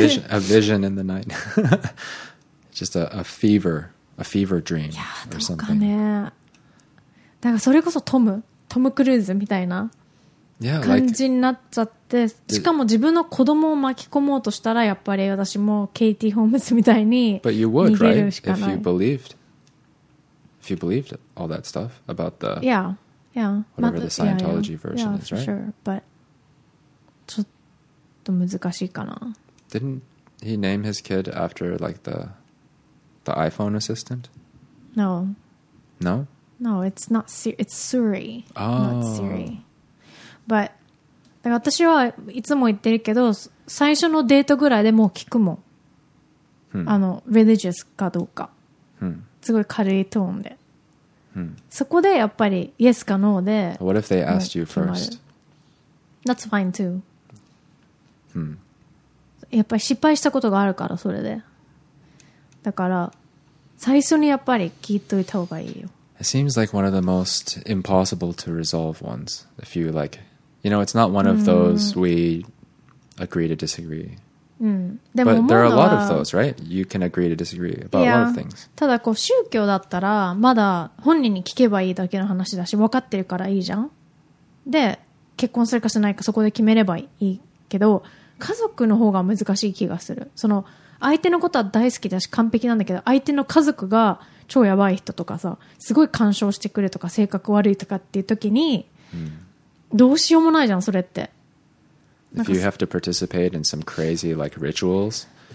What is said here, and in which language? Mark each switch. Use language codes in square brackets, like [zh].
[en] A vision in the night. Just a fever dream or something. Yeah, [ja] どうかね。だからそれこそトム、トム・クルーズみたいな。感じになっちゃって、 [en] yeah, like, [ja] しかも自分の子供を巻き込もうとしたらやっぱり私もケイティ・ホームズみたいに逃げるしかない。 [en] But you would, right? If you believed all that stuff about the yeah, yeah. whatever the Scientology yeah, version yeah, is, right? Sure, but [ja] ちょっと難しいかな。 [en] Didn't he name his kid after like the iPhone assistant? No. No? No, it's Siri. Oh. Not Siri. But, [ja] だから私はいつも言ってるけど最初のデートぐらいでもう聞くもん、 hmm. あの religious かどうか、 hmm. すごい軽いトーンで、 hmm. そこでやっぱり yes か no で [en] What if they asked you first? That's fine too、 hmm. [ja] やっぱり失敗したことがあるからそれでだから最初にやっぱり聞いといた方がいいよ。 [en] It seems like one of the most impossible to resolve ones. If you like, you know, it's not one of those we agree to disagree. But there are a lot of those, right? You can agree to disagree about a lot of things. [ja] ただこう宗教だったらまだ本人に聞けばいいだけの話だし分かってるからいいじゃん。で、結婚するかしないかそこで決めればいいけど、家族の方が難しい気がする。その相手のことは大好きだし完璧なんだけど、相手の家族が超やばい人とかさ、すごい干渉してくるとか性格悪いとかっていう時に、どうしようもないじゃんそれって。 [en] If you have to participate in some crazy like rituals,